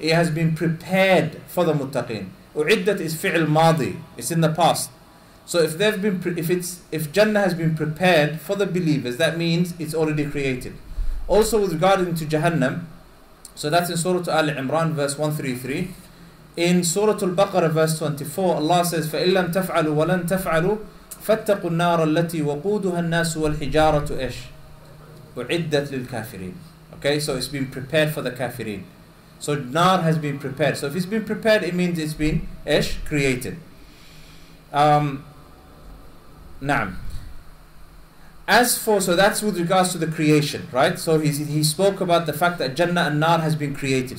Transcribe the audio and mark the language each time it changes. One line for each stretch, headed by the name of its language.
English: It has been prepared for the muttaqeen. أُعِدَّتْ is fi'l madi. It's in the past. So if they've been, if Jannah has been prepared for the believers, that means it's already created. Also with regarding to Jahannam, so that's in Surah Al Imran, verse 133. In Surah Al Baqarah, verse 24, Allah says,
Arabic: فَإِن لَمْ تَفْعَلُوا وَلَن تَفْعَلُوا فَاتَّقُوا النَّارَ الَّتِي وَقُودُهَا النَّاسُ وَالْحِجَارَةُ إِشْ أُعِدَّتْ لِلْكَافِرِينَ.
English: Okay, so it's been prepared for the kafirin. So Nar has been prepared. So if it's been prepared, it means it's been ish created. Naam. As for, so that's with regards to the creation, right? So he spoke about the fact that Jannah and Nar has been created.